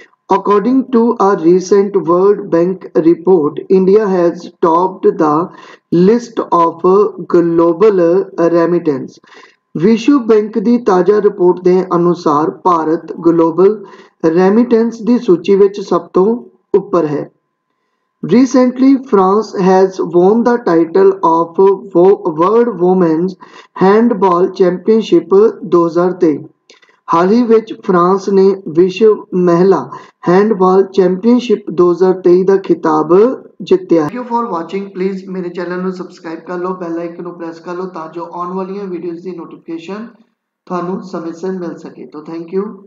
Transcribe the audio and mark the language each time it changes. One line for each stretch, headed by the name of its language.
English: According to a recent World Bank report, India has topped the list of global remittance.
Punjabi: ਵਿਸ਼ਵ bank ਦੀ ਤਾਜ਼ਾ report ਦੇ ਅਨੁਸਾਰ ਭਾਰਤ ਗਲੋਬਲ ਰੈਮੀਟੈਂਸ ਦੀ ਸੂਚੀ ਵਿੱਚ ਸਭ ਤੋਂ ਉੱਪਰ ਹੈ।
English: Recently, France has won the title of World Women's Handball Championship 2023.
Punjabi: ਹਾਲ ਹੀ ਵਿੱਚ ਫਰਾਂਸ ਨੇ ਵਿਸ਼ਵ ਮਹਿਲਾ ਹੈਂਡਬਾਲ ਚੈਂਪੀਅਨਸ਼ਿਪ 2023 ਦਾ ਖਿਤਾਬ ਜਿੱਤਿਆ।
English: Thank you for watching.
Punjabi: Please ਮੇਰੇ ਚੈਨਲ ਨੂੰ ਸਬਸਕ੍ਰਾਈਬ ਕਰ ਲਓ, ਬੈਲ ਆਈਕਨ ਨੂੰ ਪ੍ਰੈਸ ਕਰ ਲਓ ਤਾਂ ਜੋ ਆਉਣ ਵਾਲੀਆਂ ਵੀਡੀਓਜ਼ ਦੀ ਨੋਟੀਫਿਕੇਸ਼ਨ ਤੁਹਾਨੂੰ ਸਮੇਂ ਸਿਰ ਮਿਲ ਸਕੇ। ਤਾਂ
English: Thank you.